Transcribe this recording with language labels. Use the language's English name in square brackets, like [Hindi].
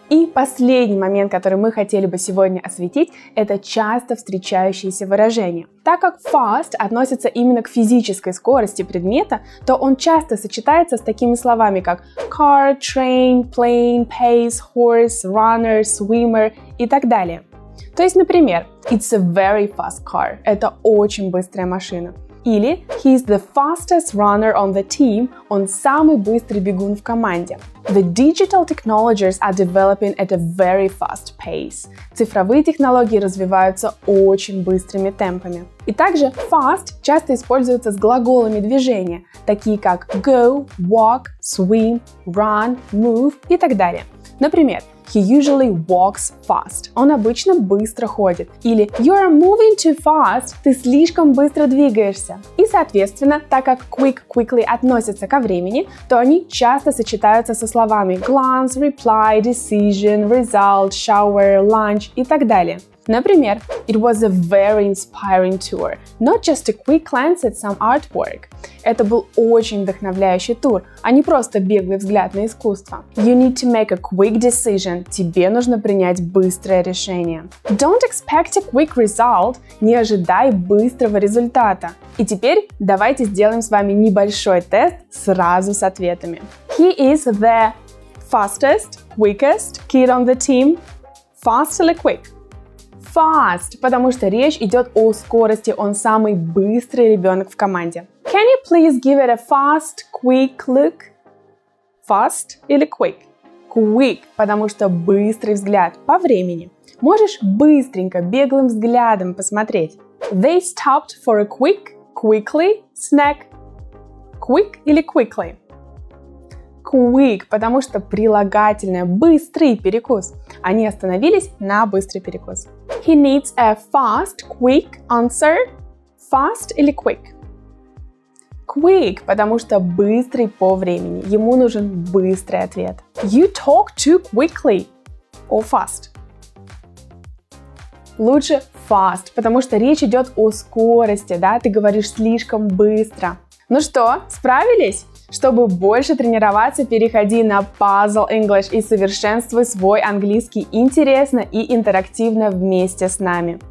[Russian] И последний момент, который мы хотели бы сегодня осветить – это часто встречающиеся выражения. Так как fast относится именно к физической скорости предмета, то он часто сочетается с такими словами, как car, train, plane, pace, horse, runner, swimmer и так далее. То есть, например, [English] it's a very fast car. [Russian] Это очень быстрая машина. [English] Или he's the fastest runner on the team. [Russian] Он самый быстрый бегун в команде. [English] The digital technologies are developing at a very fast pace. [Russian] Цифровые технологии развиваются очень быстрыми темпами. И также fast часто используется с глаголами движения, такие как go, walk, swim, run, move и так далее. [English] Например, he usually walks fast. [Russian] Он обычно быстро ходит. [English] Или you're moving too fast. [Russian] Ты слишком быстро двигаешься. И, соответственно, так как quick, quickly относятся ко времени, то они часто сочетаются со словами glance, reply, decision, result, shower, lunch и так далее. [English] Например, it was a very inspiring tour, not just a quick glance at some artwork. [Russian] Это был очень вдохновляющий тур, а не просто беглый взгляд на искусство. [English] You need to make a quick decision. [Russian] Тебе нужно принять быстрое решение. [English] Don't expect a quick result. [Russian] Не ожидай быстрого результата. И теперь давайте сделаем с вами небольшой тест сразу с ответами. [English] He is the fastest, quickest kid on the team. Fast или quick? [Russian] Fast, потому что речь идет о скорости, он самый быстрый ребенок в команде. [English] Can you please give it a fast, quick look? Fast или quick? [Russian] Quick, потому что быстрый взгляд по времени. Можешь быстренько, беглым взглядом посмотреть. [English] They stopped for a quick, quickly snack. Quick или quickly? [Russian] quick, потому что прилагательное быстрый перекус. Они остановились на быстрый перекус. [English] He needs a fast, quick answer. Fast или quick? [Russian] Quick, потому что быстрый по времени. Ему нужен быстрый ответ. [English] You talk too quickly or fast. [Russian] Лучше fast, потому что речь идет о скорости, да? Ты говоришь слишком быстро. Ну что, справились? Чтобы больше тренироваться, переходи на Puzzle English и совершенствуй свой английский интересно и интерактивно вместе с нами.